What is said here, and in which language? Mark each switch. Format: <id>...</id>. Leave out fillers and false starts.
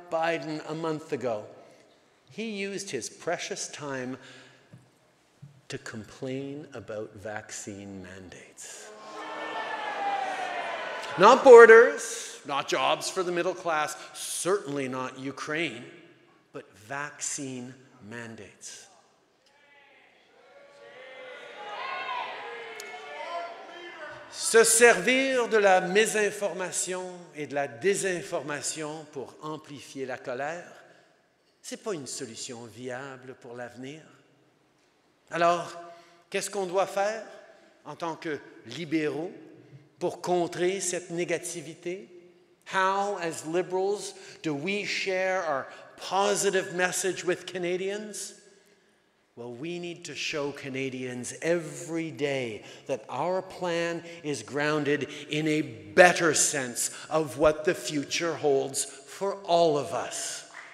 <en>Biden a month ago, he used his precious time to complain about vaccine mandates. Not borders, not jobs for the middle class, certainly not Ukraine, but vaccine mandates.</en> <fr>Se servir de la mésinformation et de la désinformation pour amplifier la colère, n'est pas une solution viable pour l'avenir. Alors, qu'est-ce qu'on doit faire en tant que libéraux pour contrer cette négativité?</fr> <en>How, as liberals, do we share our positive message with Canadians? Well, we need to show Canadians every day that our plan is grounded in a better sense of what the future holds for all of us.</en>